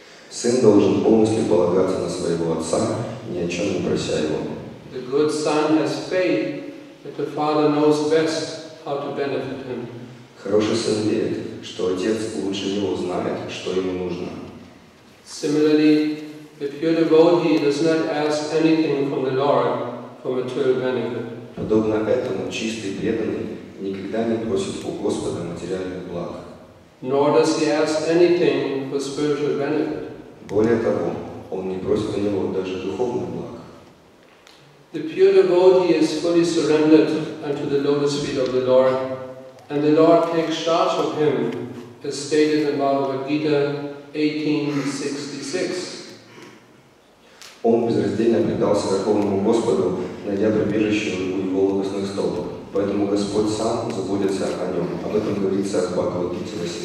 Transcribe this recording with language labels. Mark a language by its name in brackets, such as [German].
[Russian] Сын должен полностью полагаться на своего отца, ни о чем не прося его. [English] The good son has faith that the father knows best how to benefit him. [Russian] Хороший сын верит, что отец лучше него знает, что ему нужно. [English] Similarly, the pure devotee does not ask anything from the Lord for material benefit. [Russian] Подобно этому чистый преданный никогда не просит у Господа материальных благ. [English] Nor does he ask anything for spiritual benefit. [Russian] Более того, он не просит у него даже духовных благ. [English] The pure devotee is fully surrendered unto the lotus feet of the Lord, and the Lord takes charge of him, as stated in Bhagavad Gita 18:66. [Russian] Он безраздельно предался Верховному Господу, найдя прибежище у его лотосных столбов. Поэтому Господь сам заботится о нем. Об этом говорится в Бхагавад-гите